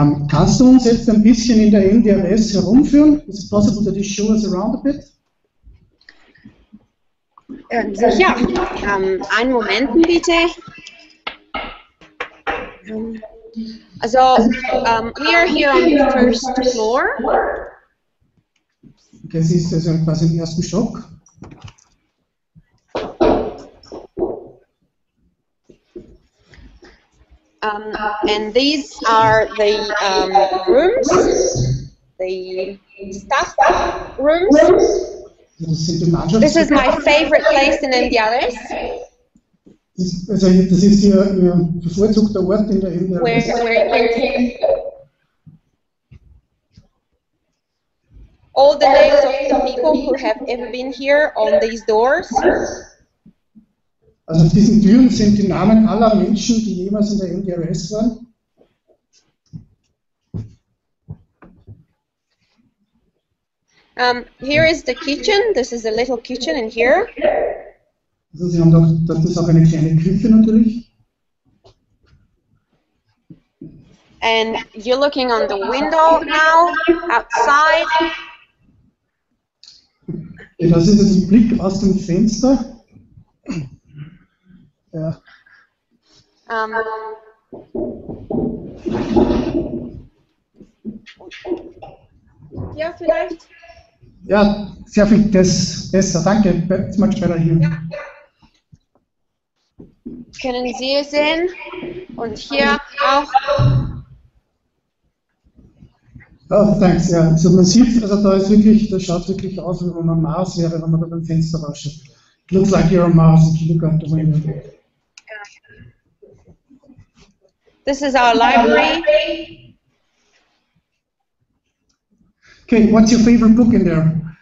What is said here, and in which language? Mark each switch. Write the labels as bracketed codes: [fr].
[de] Kannst du uns jetzt ein bisschen in der MDRS herumführen? [en] Is it possible that you show us around a bit? [de] Sicher. Einen Moment bitte. [en] Also, we are here on the first floor. [de] Das ist also quasi im ersten Stock. [en] And these are the rooms, the staff rooms. This is my favorite place in MDRS. [de] Das ist hier ein bevorzugter Ort in der MDRS. [en] All the names of the people who have ever been here on these doors. [de] Also auf diesen Türen sind die Namen aller Menschen, die jemals in der MDRS waren. [en] Here is the kitchen. This is a little kitchen in here. [de] Also Sie haben doch, das ist auch eine kleine Küche natürlich. [en] And you're looking on the window now, outside. [de] Ja, das ist jetzt ein Blick aus dem Fenster. Ja. Ja, vielleicht. Ja, sehr viel besser. Danke. Jetzt mal schneller hier. Ja. Können Sie sehen? Und hier auch. [en] Oh, thanks, ja. [de] Also man sieht, also da ist wirklich, das schaut wirklich aus, wie wenn man Mars wäre, wenn man da beim Fenster rauscht. [en] It looks like you're on Mars if you look out the window. This is our library. Okay, what's your favorite book in there?